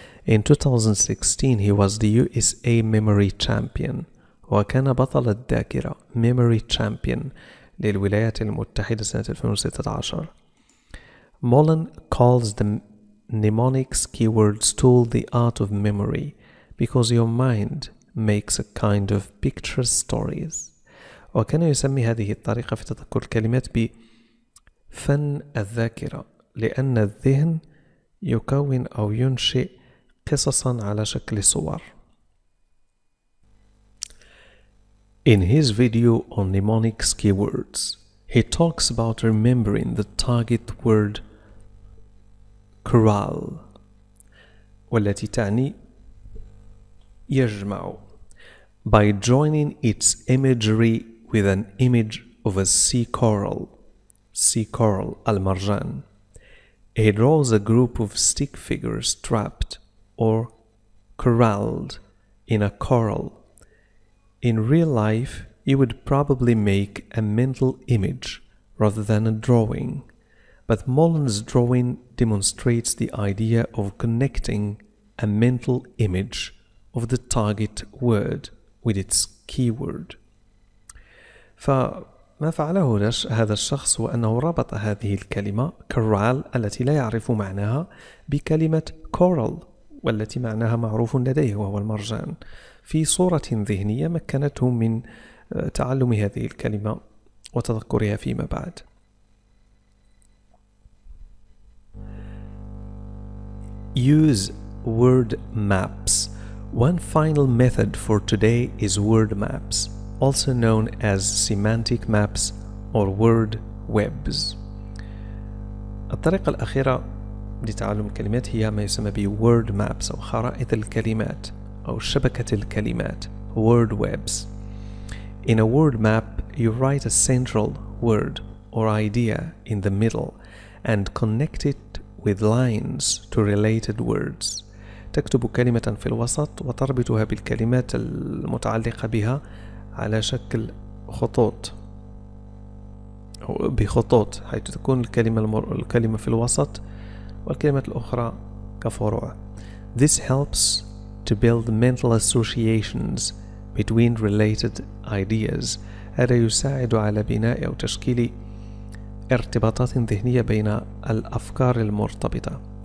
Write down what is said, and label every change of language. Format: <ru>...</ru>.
<en>In 2016 he was the USA memory champion</en> <ar>وكان بطل الذاكرة</ar> <en>memory champion</en> <ar>للولايات المتحدة سنة 2016.</ar> <en>Mullen calls the mnemonics keywords tool the art of memory because your mind makes a kind of picture stories.</en> <ar>وكان يسمي هذه الطريقة في تذكر الكلمات بفن الذاكرة لأن الذهن يكون أو ينشئ قصصا على شكل صور.</ar> <en>In his video on mnemonics keywords, he talks about remembering the target word corral,</en> <ar>والتي تعني يجمع,</ar> <en>by joining its imagery with an image of a sea coral,</en> <ar>المرجان.</ar> <en>He draws a group of stick figures trapped or corralled in a coral. In real life, you would probably make a mental image rather than a drawing. But Mullen's drawing demonstrates the idea of connecting a mental image of the target word with its keyword.</en> <ar>فما فعله هذا الشخص هو أنه ربط هذه الكلمة corral التي لا يعرف معناها بكلمة coral والتي معناها معروف لديه وهو المرجان. في صورة ذهنية مكنته من تعلم هذه الكلمة وتذكرها فيما بعد.</ar> <en>Use word maps. One final method for today is word maps, also known as semantic maps or word webs.</en> <ar>الطريقة الأخيرة لتعلم الكلمات هي ما يسمى بـ word maps أو خرائط الكلمات أو شبكة الكلمات word webs.</ar> <en>In a word map, you write a central word or idea in the middle and connect it with lines to related words.</en> <ar>تكتب كلمة في الوسط وتربطها بالكلمات المتعلقة بها على شكل خطوط، بخطوط حيث تكون الكلمة في الوسط والكلمة الأخرى كفروع.</ar> <en>This helps to build mental associations between related ideas.</en> <ar>هذا يساعد على بناء أو تشكيل ارتباطات ذهنية بين الأفكار المرتبطة.</ar>